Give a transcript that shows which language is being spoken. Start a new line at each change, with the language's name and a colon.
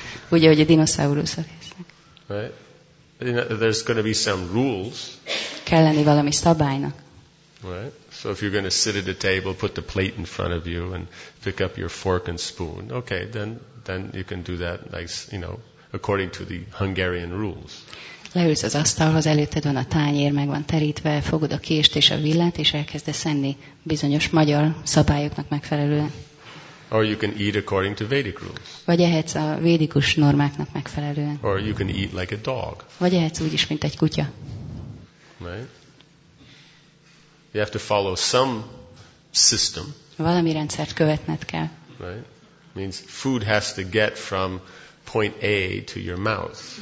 Hungarian: Ugye, hogy a dinoszauruszok esznek.
English: Right? You know, there's going to be some rules.
Hungarian: Kell lenni valami szabálynak.
English: Right? So if you're going to sit at a table, put the plate in front of you and pick up your fork and spoon, okay, then you can do that nice, you know, according to the Hungarian rules.
Hungarian: Leülsz az asztalhoz, előtted van a tányér, meg van terítve, fogod a kést és a villát, és elkezdesz enni bizonyos magyar szabályoknak megfelelően.
English: Or you can eat according to Vedic rules.
Hungarian: Vagy ehetsz a védikus normáknak megfelelően.
English: Or you can eat like a dog.
Hungarian: Vagy ehetsz úgy is, mint egy kutya.
English: Right? You have to follow some system.
Hungarian: Valami rendszert követned kell.
English: Right? Means food has to get from point A to your mouth.